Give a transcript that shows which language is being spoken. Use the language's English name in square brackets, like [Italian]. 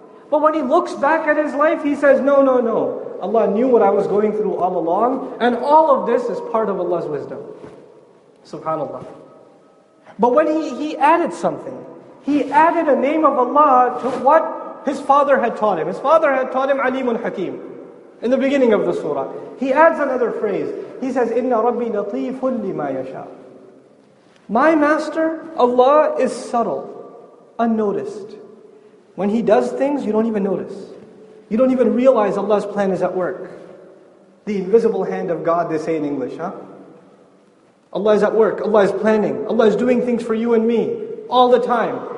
[English] But when he looks back at his life, he says, no. Allah knew what I was going through all along. And all of this is part of Allah's wisdom. SubhanAllah. But when he added something, he added a name of Allah to what his father had taught him. His father had taught him Alimun Hakim in the beginning of the surah. He adds another phrase. He says, [Arabic] إِنَّ رَبِّي لَطِيفٌ لِمَا يَشَاءُ. [English] My master, Allah, is subtle, unnoticed. When He does things, you don't even notice. You don't even realize Allah's plan is at work. The invisible hand of God, they say in English, huh? Allah is at work, Allah is planning, Allah is doing things for you and me, all the time.